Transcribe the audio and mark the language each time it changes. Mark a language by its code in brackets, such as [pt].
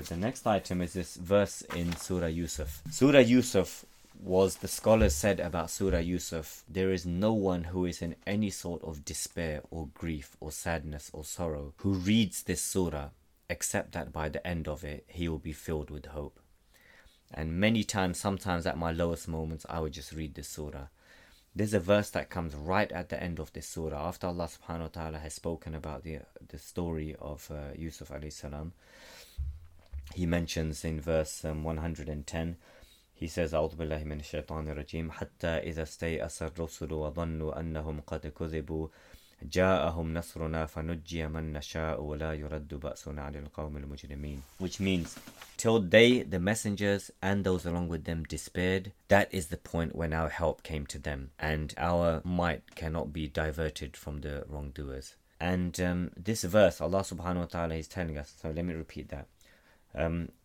[en] The next item is this verse in Surah Yusuf. Surah Yusuf was, the scholars said about Surah Yusuf, there is no one who is in any sort of despair or grief or sadness or sorrow who reads this surah, except that by the end of it, he will be filled with hope. And many times, sometimes at my lowest moments, I would just read this surah. There's a verse that comes right at the end of this surah, after Allah subhanahu wa ta'ala has spoken about the story of Yusuf alayhi salam. He mentions in verse 110, he says, [ar] أَعُوذُ بِاللَّهِ مِنَ الشَّيْطَانِ الرَّجِيمِ حَتَّى إِذَا اسْتَيْأَسَ الرُّسُلُ وَظَنُّوا أَنَّهُمْ قَدْ كُذِبُوا جَاءَهُمْ نَصْرُنَا فَنُجِّيَ مَنْ نَشَاءُ وَلَا يُرَدُّ بَأْسُنَا عَلِ الْقَوْمِ الْمُجْرِمِينَ. [en] Which means, till they, the messengers, and those along with them despaired, that is the point when our help came to them, and our might cannot be diverted from the wrongdoers. And this verse, Allah subhanahu wa ta'ala is telling us, so let me repeat that.